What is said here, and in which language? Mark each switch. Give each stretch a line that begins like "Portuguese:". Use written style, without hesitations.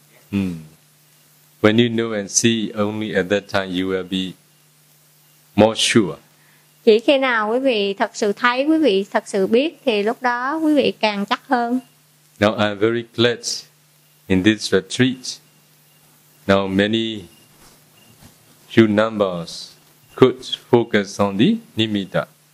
English: When you know and see, only at that time you will be more sure.
Vietnamese: Chỉ khi nào quý vị thật sự thấy, quý vị thật sự biết, thì lúc đó quý vị càng chắc hơn.
English: Now I'm very glad in this retreat. Now many few numbers could focus on the nimitta.